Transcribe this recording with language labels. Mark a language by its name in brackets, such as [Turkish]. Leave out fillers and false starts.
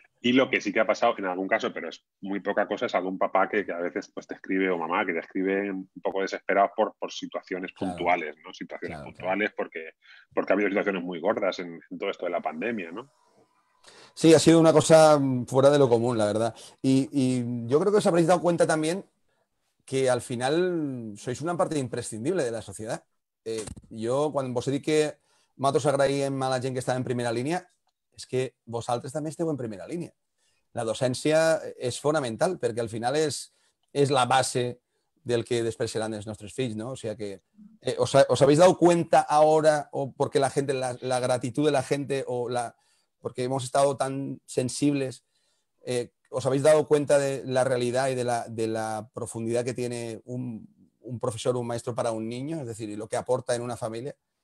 [Spanish] Y lo que sí que ha pasado en algún caso, pero es muy poca cosa, es algún papá que a veces pues, te escribe, o mamá, que te escribe un poco desesperado por situaciones puntuales, ¿no? Situaciones puntuales, porque ha habido situaciones muy gordas en todo esto de la pandemia, ¿no? Sí, ha sido una cosa fuera de lo común, la verdad. Y yo creo que os habréis dado cuenta también que al final sois una parte imprescindible de la sociedad. [Catalan] Jo, quan vos he dit que nosaltres agraïm a la gent que està en primera línia, és que vosaltres també esteu en primera línia. La docència és fonamental, perquè al final és la base del que després seran els nostres fills, no? O sigui que, [Spanish] ¿os habéis dado cuenta ahora o porque la gente, la gratitud de la gente, o porque hemos estado tan sensibles, ¿os habéis dado cuenta de la realidad y de la profundidad que tiene un profesor, un maestro para un niño, es decir, lo que aporta en una familia?